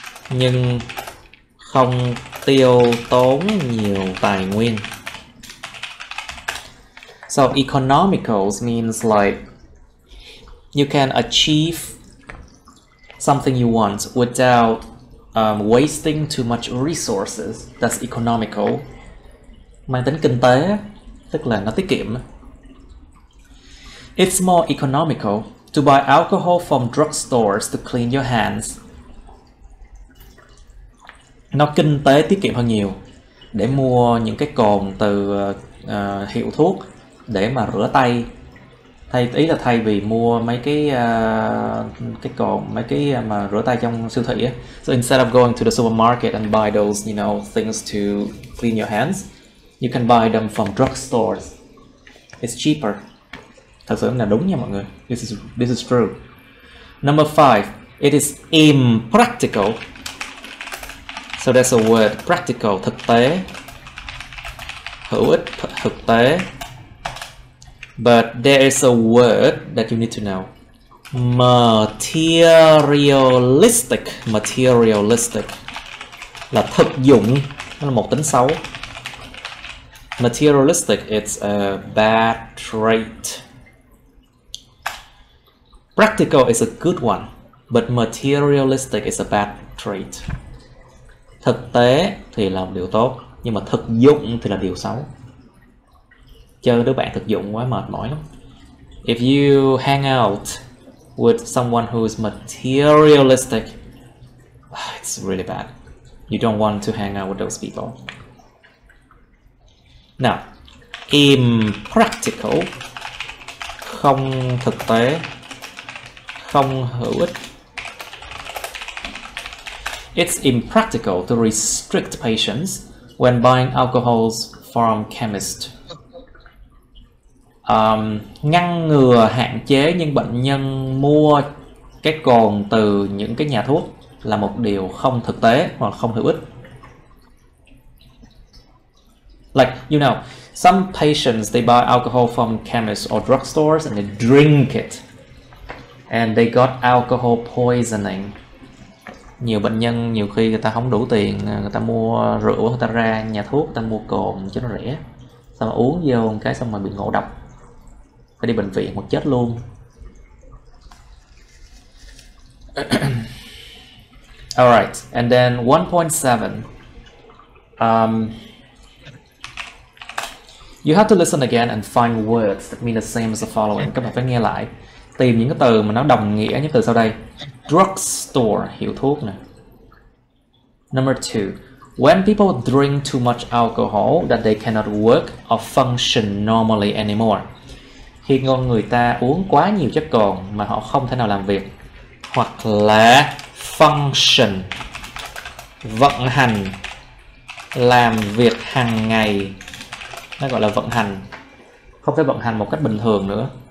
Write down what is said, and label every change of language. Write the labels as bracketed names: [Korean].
[Vietnamese] Nhưng không tiêu tốn nhiều tài nguyên. [English] So economical means like you can achieve something you want without wasting too much resources. That's economical. [Vietnamese] Mang tính kinh tế, tức là nó tiết kiệm. [English] It's more economical to buy alcohol from drugstores to clean your hands. [Vietnamese] Nó kinh tế tiết kiệm hơn nhiều để mua những cái cồn từ hiệu thuốc để mà rửa tay. Thay vì mua mấy cái cồn, mấy cái mà rửa tay trong siêu thị á. [English] So instead of going to the supermarket and buy those, you know, things to clean your hands, you can buy them from drugstores. It's cheaper. [Vietnamese] Thật sự là đúng nha mọi người. [English] This is true. Number 5, it is impractical. So that's a word, practical, [Vietnamese] thực tế. Hữu ích, thực tế. [English] But there is a word that you need to know. Materialistic. [Vietnamese] Materialistic là thực dụng, nó là một tính xấu. [English] Materialistic, it's a bad trait. Practical is a good one, but materialistic is a bad trait. [Vietnamese] Thực tế thì là một điều tốt, nhưng mà thực dụng thì là điều xấu. Chơi đứa bạn thực dụng quá mệt mỏi lắm. [English] If you hang out with someone who is materialistic, it's really bad. You don't want to hang out with those people. [Vietnamese] Now, impractical, không thực tế, không hữu ích. [English] It's impractical to restrict patients when buying alcohols from chemists. [Vietnamese] Ngăn ngừa hạn chế những bệnh nhân mua cái cồn từ những cái nhà thuốc là một điều không thực tế hoặc không hữu ích. [English] Like, you know, Some patients, they buy alcohol from chemists or drugstores and they drink it. And they got alcohol poisoning. [Vietnamese] Nhiều bệnh nhân nhiều khi người ta không đủ tiền, người ta mua rượu, người ta ra nhà thuốc, người ta mua cồn cho nó rẻ. Xong rồi uống vô một cái xong rồi bị ngộ độc. Phải đi bệnh viện hoặc chết luôn. [English] All right, and then 1.7. You have to listen again and find words that mean the same as the following. [Vietnamese] Các bạn phải nghe lại, tìm những cái từ mà nó đồng nghĩa những từ sau đây. Drugstore, hiệu thuốc nè. [English] Number 2. When people drink too much alcohol that they cannot work or function normally anymore. [Vietnamese] Khi con người ta uống quá nhiều chất cồn mà họ không thể nào làm việc hoặc là function, vận hành, làm việc hàng ngày, nó gọi là vận hành, không thể vận hành một cách bình thường nữa.